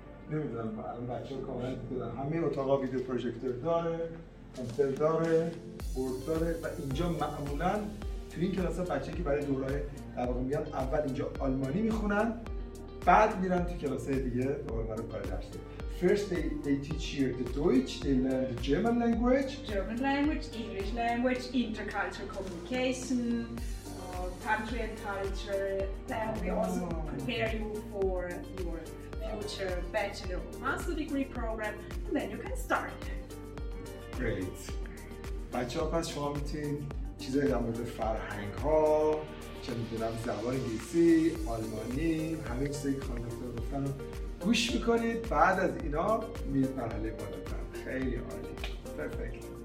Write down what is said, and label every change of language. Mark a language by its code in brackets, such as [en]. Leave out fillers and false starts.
[fa] نمیدونم بچه ها کامنت بودن همه اتاقا ویدیو پروژکتور داره کامپیوتر داره بورد داره و اینجا معمولا توی این کلاس ها بچه که برای دورهای در واقع میاد اول اینجا آلمانی میخونن بعد میرن توی کلاس های دیگه دوباره برای کار درسته [en] First they teach here the Deutsch, they learn the German language. German language, English language, intercultural communication, country and culture. Then we also prepare you for your bachelor or master degree program and then you can start. [fa] Great. بچه ها پس شما میتونید چیزایی در مورد فرهنگ ها چه میدونم زبان انگلیسی، آلمانی، همه چیزایی که خانم دکتر گفتن رو گوش میکنید بعد از اینا میرید مرحله بالاتر. خیلی عالی. پرفکت.